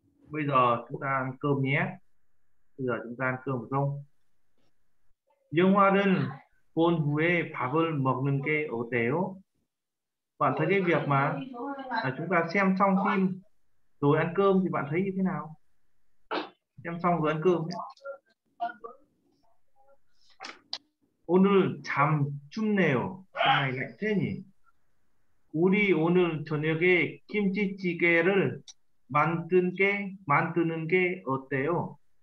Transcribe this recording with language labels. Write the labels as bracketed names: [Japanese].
[Vietnamese] Bây giờ chúng ta ăn cơm nhé. Bây giờ chúng ta ăn cơm phải không? [Korean] 영화는 본 후에 밥을 먹는 게 어때요? [Vietnamese] Bạn thấy cái việc mà chúng ta xem xong phim rồi ăn cơm thì bạn thấy như thế nào? Xem xong rồi ăn cơm. [Korean] 오늘 참 춥네요. [Vietnamese] 날이 lạnh thế nhỉ? [Korean] 우리 오늘 저녁에 김치찌개를 만드는 게 어때요?